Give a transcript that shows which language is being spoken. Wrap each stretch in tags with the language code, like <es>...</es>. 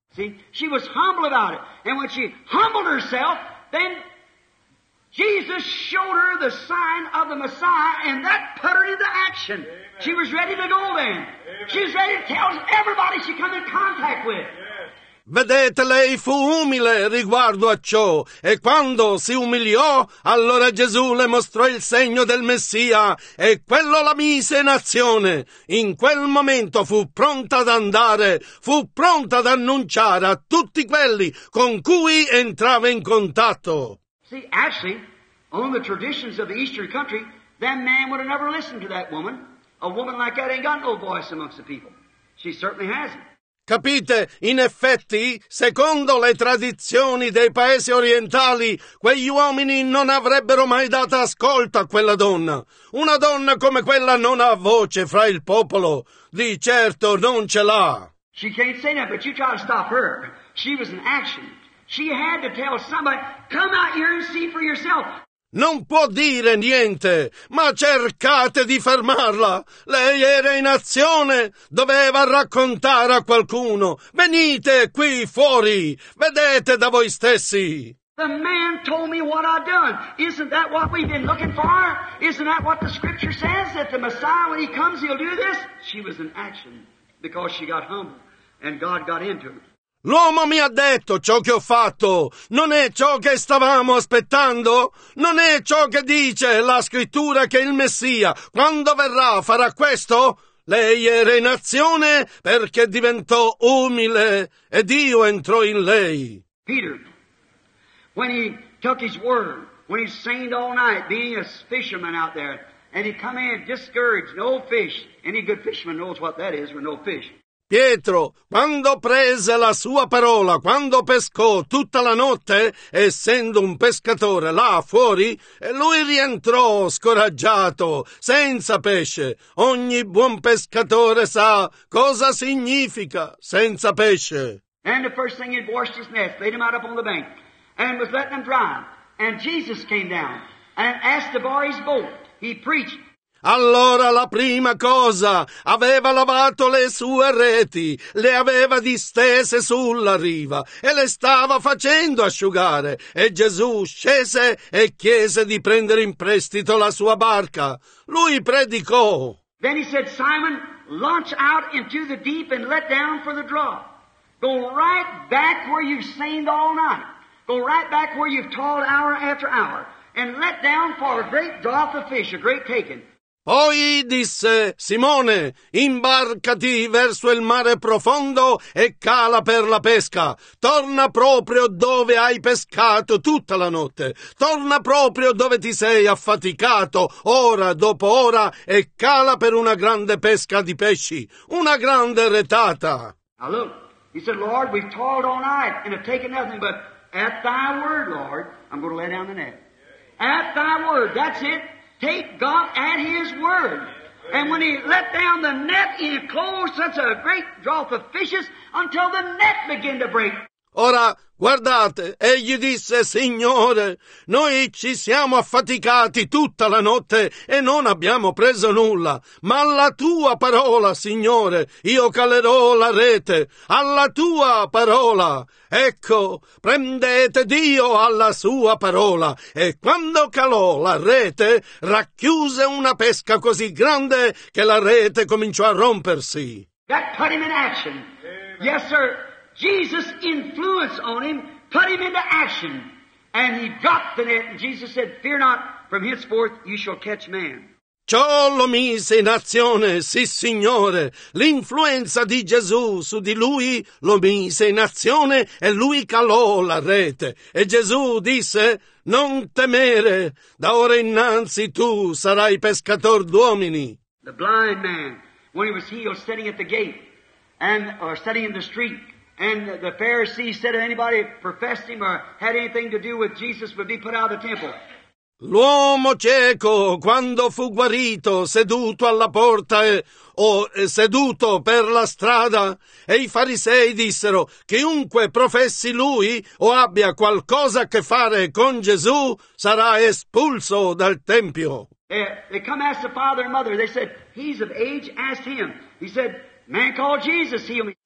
<en>See, she was humble about it, and when she humbled herself, then Jesus showed her the sign of the Messiah, and that put her into action. Amen. She was ready to go then. Amen. She was ready to tell everybody she come in contact with.</en> <it>Vedete, lei fu umile riguardo a ciò, e quando si umiliò, allora Gesù le mostrò il segno del Messia, e quello la mise in azione. In quel momento fu pronta ad andare, fu pronta ad annunciare a tutti quelli con cui entrava in contatto.</it> <en>See, actually, on the traditions of the Eastern country, that man would have never listened to that woman. A woman like that ain't got no voice amongst the people. She certainly hasn't.</en> <it>Capite? In effetti, secondo le tradizioni dei paesi orientali, quegli uomini non avrebbero mai dato ascolto a quella donna. Una donna come quella non ha voce fra il popolo. Di certo non ce l'ha.</it> <en>She can't say that, but you try to stop her. She was in action. She had to tell somebody, come out here and see for yourself.</en> <it>Non può dire niente, ma cercate di fermarla. Lei era in azione, doveva raccontare a qualcuno. Venite qui fuori, vedete da voi stessi.</it> <en>The man told me what I've done. Isn't that what we've been looking for? Isn't that what the scripture says, that the Messiah, when he comes, he'll do this? She was in action because she got humble and God got into her.</en> <it>L'uomo mi ha detto ciò che ho fatto. Non è ciò che stavamo aspettando? Non è ciò che dice la scrittura che il Messia, quando verrà, farà questo? Lei era in azione perché diventò umile e Dio entrò in lei.</it> <en>Peter, when he took his word, when he sang all night, being a fisherman out there, and he come in discouraged, no fish. Any good fisherman knows what that is, with no fish.</en> <it>Pietro, quando prese la sua parola, quando pescò tutta la notte, essendo un pescatore là fuori, e lui rientrò scoraggiato, senza pesce. Ogni buon pescatore sa cosa significa senza pesce.</it> <en>And the first thing he washed his nets, laid them out up on the bank, and was letting them dry. And Jesus came down and asked to borrow his boat. He preached.</en> <it>Allora la prima cosa, aveva lavato le sue reti, le aveva distese sulla riva e le stava facendo asciugare. E Gesù scese e chiese di prendere in prestito la sua barca. Lui predicò.</it> <en>Then he said, Simon, launch out into the deep and let down for the draw. Go right back where you've seined all night. Go right back where you've toiled hour after hour. And let down for a great draw of fish, a great taking.</en> <it>Poi disse, Simone, imbarcati verso il mare profondo e cala per la pesca. Torna proprio dove hai pescato tutta la notte. Torna proprio dove ti sei affaticato ora dopo ora e cala per una grande pesca di pesci, una grande retata. Allora,</it> <en>he said, Lord, we've toiled all night and have taken nothing, but at thy word, Lord, I'm going to lay down the net. At thy word, that's it. Take God at his word. And when he let down the net, he closed such a great draught of fishes until the net began to break.</en> <it>Ora, guardate, egli disse, Signore, noi ci siamo affaticati tutta la notte e non abbiamo preso nulla. Ma alla tua parola, Signore, io calerò la rete. Alla tua parola. Ecco, prendete Dio alla sua parola. E quando calò la rete, racchiuse una pesca così grande che la rete cominciò a rompersi.</it> <en>That put him in action. Yes, sir. Jesus' influence on him put him into action, and he dropped the net, and Jesus said, fear not, from henceforth you shall catch man.</en> <it>Ciò lo mise in azione, sì signore, l'influenza di Gesù su di lui lo mise in azione, e lui calò la rete, e Gesù disse, non temere, da ora innanzi tu sarai pescator d'uomini.</it> <en>The blind man, when he was healed, standing at the gate, and or standing in the street, and the Pharisees said if anybody professed him or had anything to do with Jesus would be put out of the temple.</en> <it>L'uomo cieco, quando fu guarito, seduto alla porta seduto per la strada, e i farisei dissero, chiunque professi lui o abbia qualcosa a che fare con Gesù, sarà espulso dal tempio.</it> <en>They come ask the father and mother. They said, he's of age, ask him. He said, man called Jesus, heal me.</en>